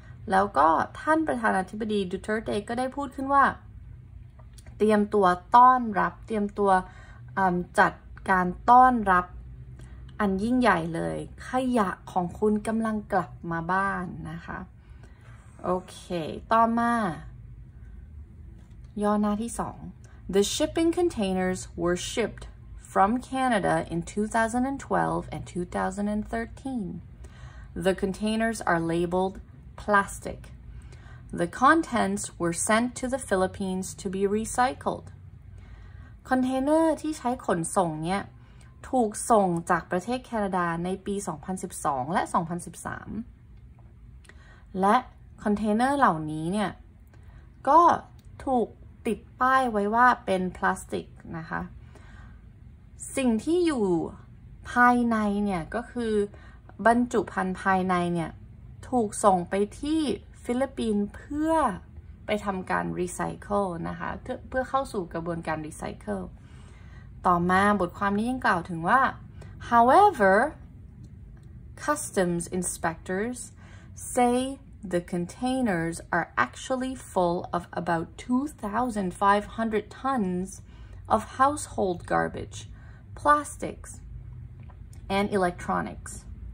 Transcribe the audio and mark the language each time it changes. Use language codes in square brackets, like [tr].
[th] แล้วก็ท่านประธานาธิบดีดูเตอร์เตก็ได้พูดขึ้นว่าเตรียมตัวต้อนรับเตรียมตัวจัดการต้อนรับอันยิ่งใหญ่เลยขยะของคุณกำลังกลับมาบ้านนะคะโอเคต่อมาย่อหน้าที่2 [en] The shipping containers were shippedfrom Canada in 2012 and 2013. The containers are labeled plastic. The contents were sent to the Philippines to be recycled. [th] คอนเทนเนอร์ที่ใช้ขนส่งเนี่ยถูกส่งจากประเทศแคนาดาในปี2012และ2013และคอนเทนเนอร์เหล่านี้เนี่ยก็ถูกติดป้ายไว้ว่าเป็นพลาสติกนะคะ สิ่งที่อยู่ภายในเนี่ยก็คือบรรจุภัณฑ์ภายในเนี่ยถูกส่งไปที่ฟิลิปปินส์เพื่อไปทำการรีไซเคิลนะคะเพื่อเข้าสู่กระบวนการรีไซเคิลต่อมาบทความนี้ยังกล่าวถึงว่า [en] However customs inspectors say the containers are actually full of about 2,500 tons of household garbageplastics and electronics.